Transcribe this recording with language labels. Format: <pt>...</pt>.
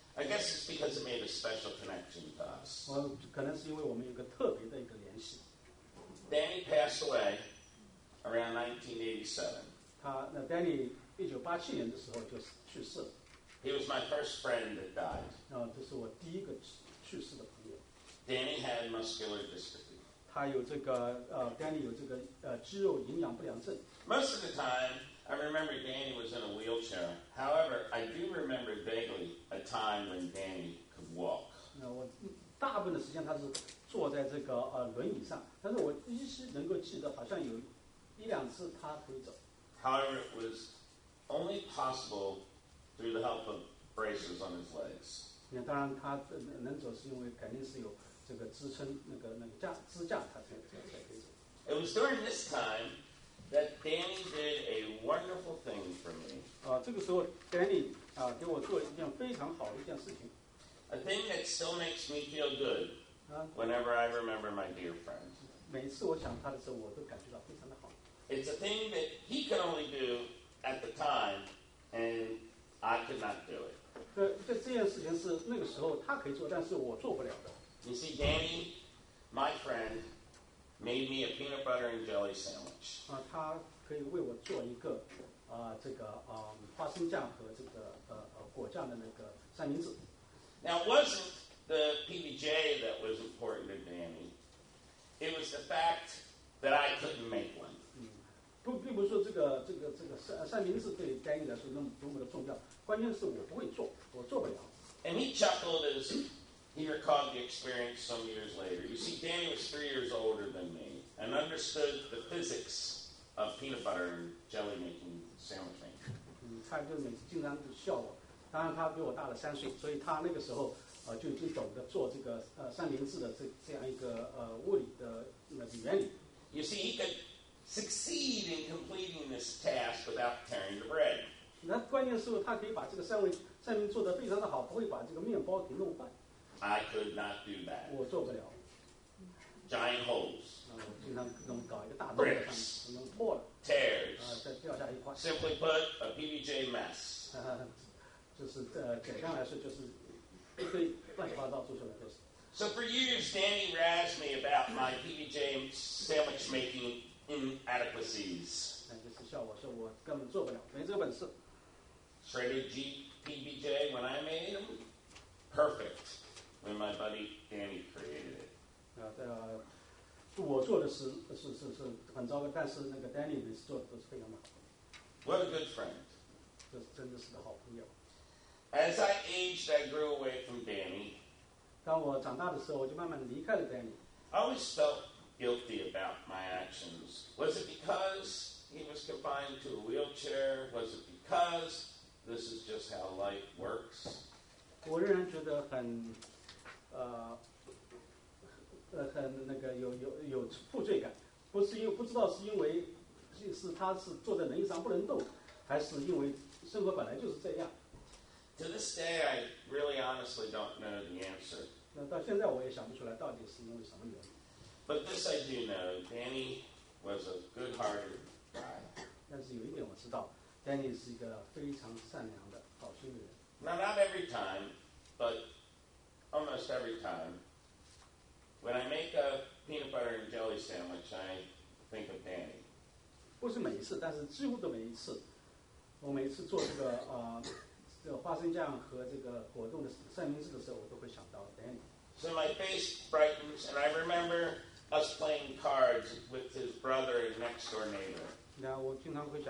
<en>I guess it's because it made a special connection to us.</en> <zh>我可能是因为我们有个特别的一个联系。</zh> <en>Danny passed away around 1987.</en> <zh>他那 Danny 1987年的时候就去世了。</zh> <en>He was my first friend that died.</en> <zh>这是我第一个去世的朋友。</zh> <en>Danny had muscular dystrophy.</en> <zh>他有这个Danny 有这个肌肉营养不良症。</zh> <en>Most of the time. I remember Danny was in a wheelchair. However, I do remember vaguely a time when Danny could walk.</en> <zh>那我大部分的时间他是坐在这个轮椅上，但是我依稀能够记得，好像有一两次他可以走。</zh> <en>However, it was only possible through the help of braces on his legs.</en> <zh>那当然，他能走是因为肯定是有这个支撑那个支架，他才可以走。</zh> <en>It was during this time. That Danny did a wonderful thing for me.</en> <zh>这个时候 Danny 给我做一件非常好的一件事情。</zh> <en>A thing that still makes me feel good whenever I remember my dear friend.</en> <zh>每次我想他的时候，我都感觉到非常的好。</zh> <en>It's a thing that he could only do at the time, and I could not do it.</en> <zh>这件事情是那个时候他可以做，但是我做不了的。</zh> <en>You see, Danny, my friend. Made me a peanut butter and jelly sandwich.</en> <zh>他可以为我做一个，花生酱和这个果酱的那个三明治。</zh> <en>Now, it wasn't the PBJ that was important to Danny. It was the fact that I couldn't make one.</en> <zh>并不是说这个三明治对 Danny 来说那么的重要，关键是我不会做，我做不了。</zh> <en>And he chuckled as. He recalled the experience some years later. You see, Danny was 3 years older than me and understood the physics of peanut butter and jelly making sandwich making.</en> <zh>他就每次经常就笑我，当然他比我大了三岁，所以他那个时候就已经懂得做这个三明治的这样一个物理的那个原理。</zh> <en>You see, he could succeed in completing this task without tearing the bread.</en> <zh>那关键是他可以把这个三明治做得非常的好，不会把这个面包给弄坏。</zh> <en>I could not do that.</en> <zh>我做不了。</zh> <en>Giant holes.</en> <zh>我经常弄搞一个大洞。</zh> <en>Bricks.</en> <zh>弄破了。</zh> <en>Tears.</en> <zh>再掉下一块。</zh> <en>Simply put, a PBJ mess.</en> <zh>就是简单来说，就是一堆乱七八糟做出来的东西。</zh> <en>So for years, Danny razzed me about my PBJ sandwich making inadequacies.</en> <zh>那就是笑我说我根本做不了，没这个本事。</zh> <en>Shredded G PBJ when I made them, perfect. When my buddy Danny created it.</en> <zh>我做的是很糟糕，但是那个 Danny 每次做的都是非常好。</zh> <en>What a good friend.</en> <zh>这真的是个好朋友。</zh> <en>As I aged, I grew away from Danny.</en> <zh>当我长大的时候，我就慢慢离开了 Danny.</zh> <en>I always felt guilty about my actions? Was it because he was confined to a wheelchair? Was it because this is just how life works?</en> <zh>我仍然觉得很那个有负罪感，不是因为不知道是因为是他是坐在轮椅上不能动，还是因为生活本来就是这样。</zh> <en>To this day, I really honestly don't know the answer.</en> <zh>那到现在我也想不出来到底是因为什么原因。</zh> <en>But this I do know, Danny was a good-hearted guy.</en> <zh>但是有一点我知道, Danny 是一个非常善良的, 好心的人。</zh> <en>Now, not every time, but almost every time, when I make a peanut butter and jelly sandwich, I think of Danny.</en> <zh>不是每一次, 但是几乎都每一次, 我每一次做这个, 这个花生酱和这个果冻的三明治的时候，我都会想到Danny.</zh> <en>So my face brightens, and I remember us playing cards with his brother and next door neighbor.</en>